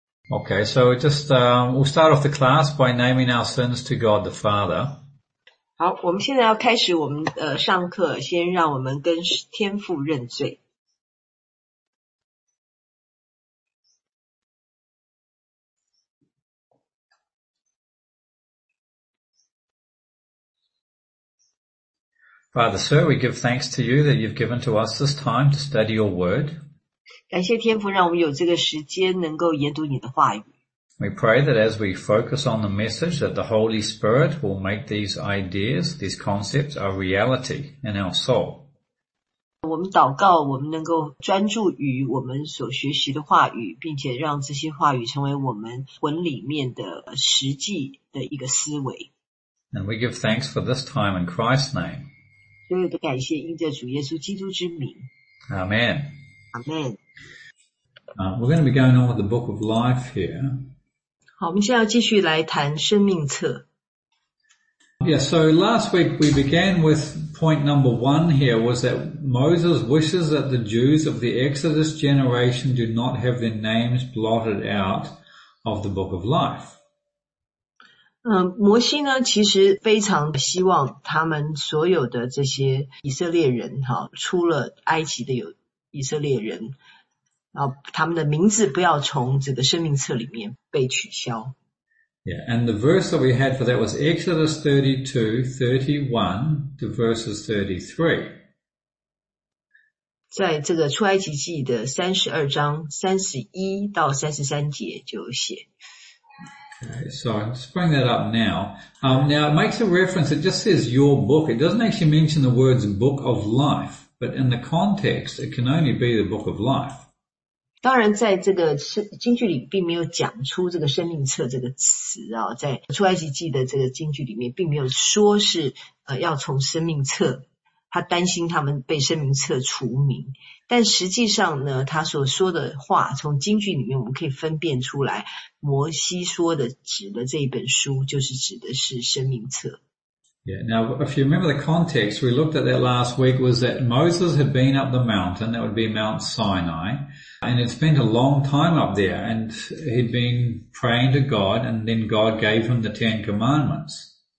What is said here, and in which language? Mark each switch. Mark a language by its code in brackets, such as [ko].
[en] Okay, so just we'll start off the class by naming our sins to God the Father. [zh] 好，我们现在要开始我们上课，先让我们跟天父认罪。 [en] Father, sir, we give thanks to you that you've given to us this time to study your word. [zh] 感谢天父让我们有这个时间能够研读你的话语。 [en] We pray that as we focus on the message that the Holy Spirit will make these ideas, these concepts, a reality in our soul. [zh] 我们祷告我们能够专注于我们所学习的话语，并且让这些话语成为我们魂里面的实际的一个思维。 [en] And we give thanks for this time in Christ's name. [zh] 所有的感谢因着主耶稣基督之名。 [en] Amen. Amen. We're going to be going on with the book of life here. [zh] 好，我们现在要继续来谈生命册。 [en] Yeah, so last week we began with point number one here was that Moses wishes that the Jews of the Exodus generation do not have their names blotted out of the book of life. [zh] 摩西呢其实非常希望他们所有的这些以色列人出了埃及的有以色列人他们的名字不要从这个生命册里面被取消。 [en] Yeah, and the verse that we had for that was Exodus 32:31 to verses 33. [zh] 在这个出埃及记的32章31到33节就写。 [en] Okay, so I'll just bring that up now. Now it makes a reference, it just says your book. It doesn't actually mention the words book of life, but in the context, it can only be the book of life. [zh] 当然在这个经句里并没有讲出这个生命册这个词啊，在出埃及记的这个经句里面并没有说是要从生命册，他担心他们被生命册除名，但实际上呢他所说的话从经句里面我们可以分辨出来，摩西说的指的这一本书就是指的是生命册。 [en] Yeah, now if you remember the context we looked at that last week was that Moses had been up the mountain, that would be Mount Sinai, and had spent a long time up there, and he'd been praying to God, and then God gave him the Ten Commandments.